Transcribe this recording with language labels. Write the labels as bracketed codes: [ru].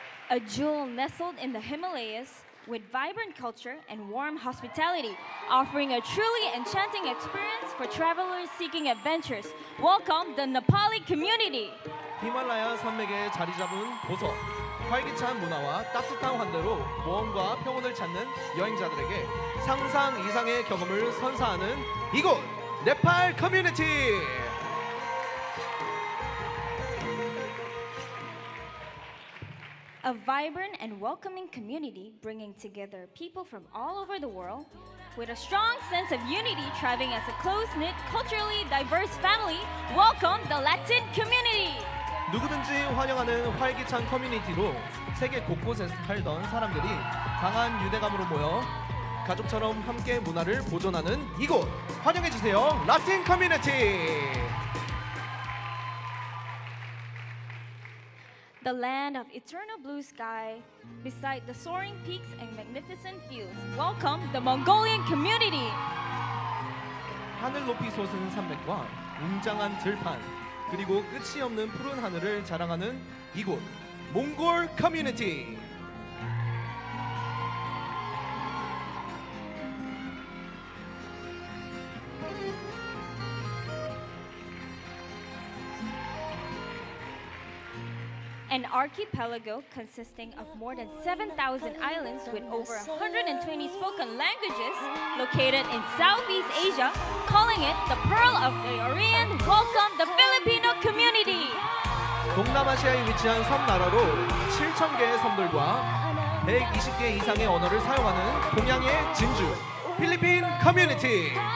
[en] A jewel nestled in the Himalayas with vibrant culture and warm hospitality, offering a truly enchanting experience for travelers seeking adventures. Welcome the Nepali community! [ko] 히말라야 산맥에 자리 잡은 보석, 활기찬 문화와 따뜻한 환대로 모험과 평온을 찾는 여행자들에게 상상 이상의 경험을 선사하는 이곳, 네팔 커뮤니티! [en] A vibrant and welcoming community bringing together people from all over the world with a strong sense of unity thriving as a close-knit, culturally diverse family. Welcome the Latin community! [ko] 누구든지 환영하는 활기찬 커뮤니티로 세계 곳곳에 살던 사람들이 강한 유대감으로 모여 가족처럼 함께 문화를 보존하는 이곳 환영해주세요. 라틴 커뮤니티! [en] The land of eternal blue sky, beside the soaring peaks and magnificent views. Welcome the Mongolian community! [ko] 하늘 높이 솟은 산맥과 웅장한 들판, 그리고 끝이 없는 푸른 하늘을 자랑하는 이곳, 몽골 커뮤니티! [en] An archipelago consisting of more than 7,000 islands with over 120 spoken languages located in Southeast Asia, calling it the Pearl of the Orient, welcome the Filipino community! [ko] 동남아시아에 위치한 섬나라로 7,000개의 섬들과 120개 이상의 언어를 사용하는 동양의 진주, 필리핀 커뮤니티!